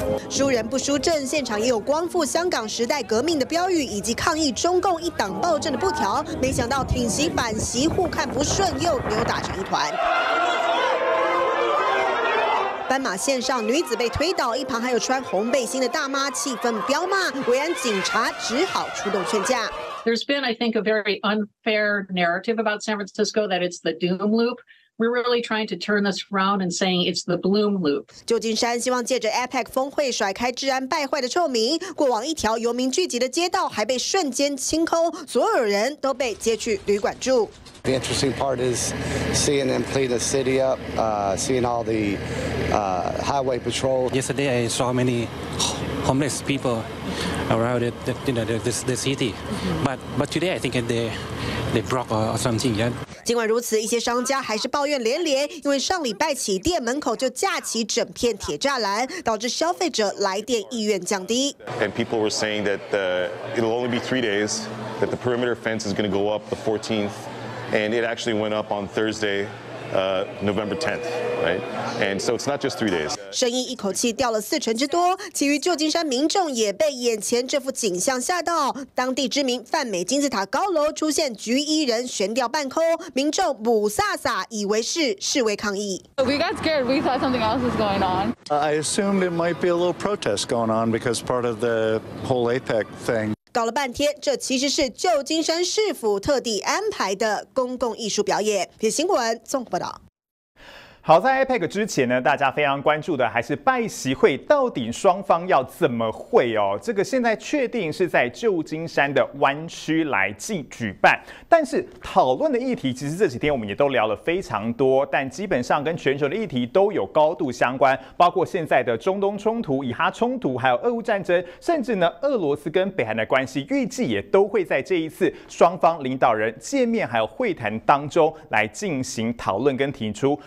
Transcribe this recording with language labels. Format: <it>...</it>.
<zh>输人不输阵，现场也有光复香港时代革命的标语，以及抗议中共一党暴政的布条。没想到挺习反习，互看不顺，又扭打成一团。斑马线上，女子被推倒，一旁还有穿红背心的大妈，气氛飙骂，维安警察只好出动劝架。</zh> <en>There's been, I think, a very unfair narrative about San Francisco that it's the doom loop. We're really trying to turn this around and saying it's the bloom loop.</en> <zh>旧金山希望借着 APEC 峰会甩开治安败坏的臭名。过往一条游民聚集的街道还被瞬间清空，所有人都被接去旅馆住。</zh> <en>The interesting part is seeing them clean the city up, seeing all the highway patrol. Yesterday, I saw many homeless people. Around the city, but today I think they broke or something. Yeah.</en> <zh>尽管如此，一些商家还是抱怨连连，因为上礼拜起店门口就架起整片铁栅栏，导致消费者来店意愿降低。</zh> <en>And people were saying that it'll only be 3 days, that the perimeter fence is going to go up the 14th, and it actually went up on Thursday. November 10th, right? And so it's not just 3 days.</en> <zh>生意一口气掉了四成之多，其余旧金山民众也被眼前这幅景象吓到。当地知名泛美金字塔高楼出现橘衣人悬吊半空，民众母撒撒，以为是示威抗议。</zh> <en>We got scared. We thought something else was going on. I assumed it might be a little protest going on because part of the whole APEC thing.</en> <zh>搞了半天，这其实是旧金山市府特地安排的公共艺术表演。别新闻综合报道。好，在 APEC 之前呢，大家非常关注的还是拜习会到底双方要怎么会哦。这个现在确定是在旧金山的湾区来举办，但是讨论的议题其实这几天我们也都聊了非常多，但基本上跟全球的议题都有高度相关，包括现在的中东冲突、以哈冲突，还有俄乌战争，甚至呢俄罗斯跟北韩的关系，预计也都会在这一次双方领导人见面还有会谈当中来进行讨论跟提出。</zh>